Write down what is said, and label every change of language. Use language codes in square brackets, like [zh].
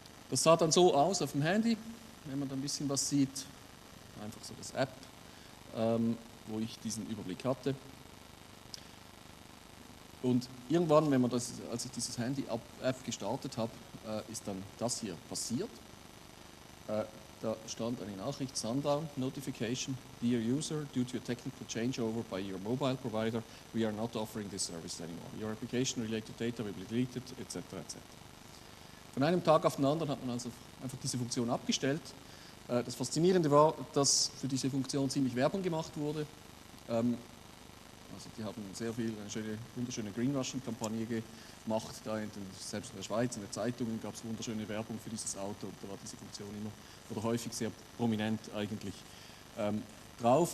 [de] Das sah dann so aus auf dem Handy, wenn man da ein bisschen was sieht. Einfach so das App, wo ich diesen Überblick hatte. Und irgendwann, als ich dieses Handy-App gestartet habe, ist dann das hier passiert. Da stand eine Nachricht, [en] Sundown Notification, Dear User, due to a technical changeover by your mobile provider, we are not offering this service anymore. Your application related data will be deleted, etc. etc. [de] Von einem Tag auf den anderen hat man also einfach diese Funktion abgestellt. Das Faszinierende war, dass für diese Funktion ziemlich Werbung gemacht wurde. Also die haben eine wunderschöne Greenwashing-Kampagne gemacht, selbst in der Schweiz, in den Zeitungen gab es wunderschöne Werbung für dieses Auto, und da war diese Funktion immer oder häufig sehr prominent eigentlich drauf.